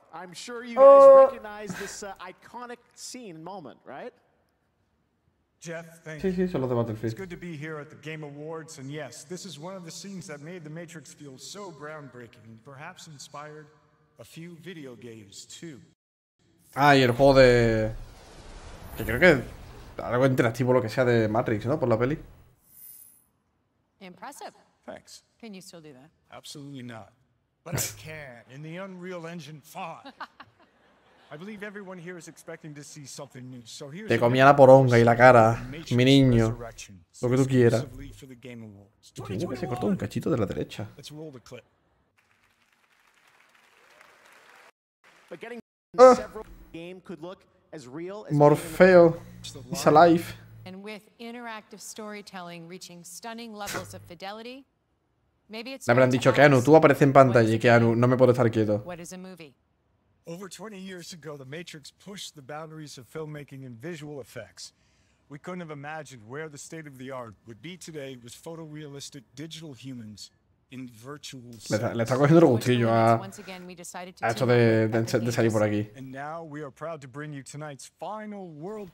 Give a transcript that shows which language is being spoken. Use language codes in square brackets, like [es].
[en] I'm sure you guys recognize this iconic scene moment, right? Jeff, thank you. [es] Sí, sí, son los de Battlefield. [en] It's good to be here at the Game Awards, and yes, this is one of the scenes that made the Matrix feel so groundbreaking, perhaps inspired a few video games too. [es] Ah, y el juego de... que creo que algo interactivo, lo que sea, de Matrix, ¿no? Por la peli. [en] Impressive. Thanks. Can you still do that? Absolutely not. But I can, in the Unreal Engine 5. I believe everyone here is expecting to see something new. So here's... [es] te comía la poronga y la cara, mi niño. Lo que tú quieras. Tengo que se cortó un cachito de la derecha. [en] Let's roll the clip. But getting several game could look as real as Morpheo is alive. And with interactive storytelling reaching stunning levels of fidelity. [es] Me habrán dicho, Keanu, tú apareces en pantalla y Keanu, no me puedo estar quieto. [en] Oh, Over 20 years ago, The Matrix pushed the boundaries of filmmaking and visual effects. We couldn't have imagined where the state of the art would be today with photorealistic digital humans in virtual sets. [es] Le está cogiendo el gustillo a esto de salir por aquí. [en] And now we are proud to bring you tonight's final world